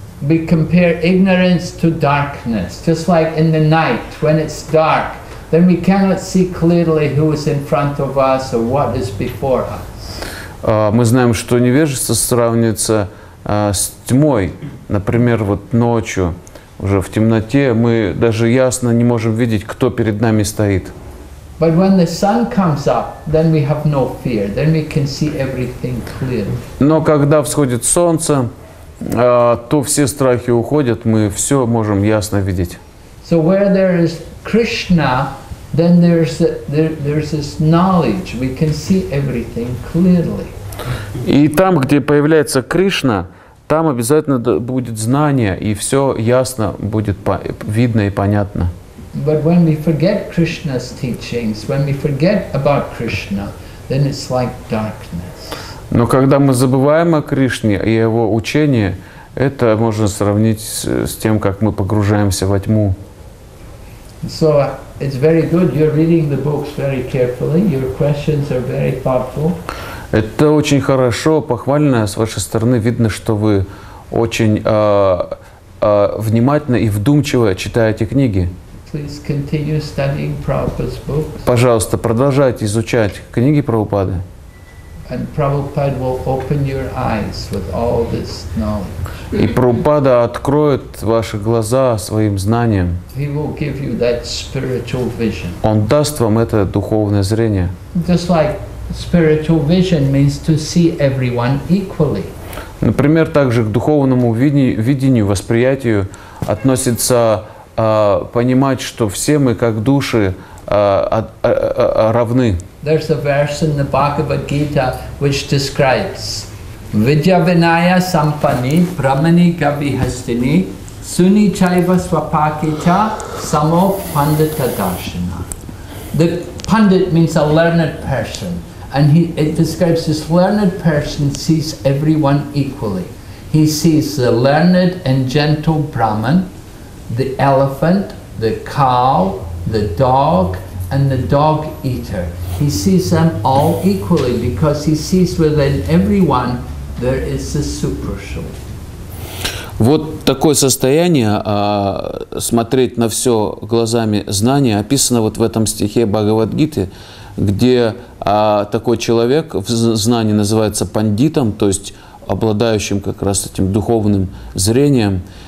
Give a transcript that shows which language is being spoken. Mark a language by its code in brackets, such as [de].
[en] We compare ignorance to darkness, just like in the night when it's dark, then we cannot see clearly who is in front of us or what is before us. [ru] Мы знаем, что невежество сравнится с тьмой, например, вот ночью уже в темноте мы даже ясно не можем видеть, кто перед нами стоит. [en] But when the sun comes up, then we have no fear. Then we can see everything clearly. [ru] Но когда всходит солнце, то все страхи уходят, мы все можем ясно видеть. [en] So where there is Krishna, then there's this knowledge. We can see everything clearly. [ru] И там, где появляется Кришна, там обязательно будет знание, и все ясно будет видно и понятно. [en] But when we forget Krishna's teachings, when we forget about Krishna, then it's like darkness. [ru] Но когда мы забываем о Кришне и его учении, это можно сравнить с тем, как мы погружаемся во тьму. [en] So it's very good. You're reading the books very carefully. Your questions are very thoughtful. [ru] Это очень хорошо, похвально с вашей стороны. Видно, что вы очень внимательно и вдумчиво читаете книги. [en] Please continue studying Prabhupada's books. [ru] Пожалуйста, продолжайте изучать книги Прабхупады. [en] And Prabhupada will open your eyes with all this knowledge. [ru] И Прабхупада откроет ваши глаза своим знанием. [en] He will give you that spiritual vision. [ru] Он даст вам это духовное зрение. [en] Just like spiritual vision means to see everyone equally. [ru] Например, также к духовному видению, восприятию относится понимать, что все мы как души равны. [en] There's a verse in the Bhagavad Gita which describes [sa] Vidyavinaya sampani brahmani gavi hastini suni chaiva swapakita samo pandita darshana. [en] The pandit means a learned person, and it describes this learned person sees everyone equally. He sees the learned and gentle brahman, the elephant, the cow, the dog, and the dog eater. He sees them all equally because he sees within everyone there is a super soul. [ru] Вот такое состояние смотреть на все глазами знания описано вот в этом стихе Бхагавад-гиты, где такой человек в знании называется пандитом, то есть обладающим как раз этим духовным зрением.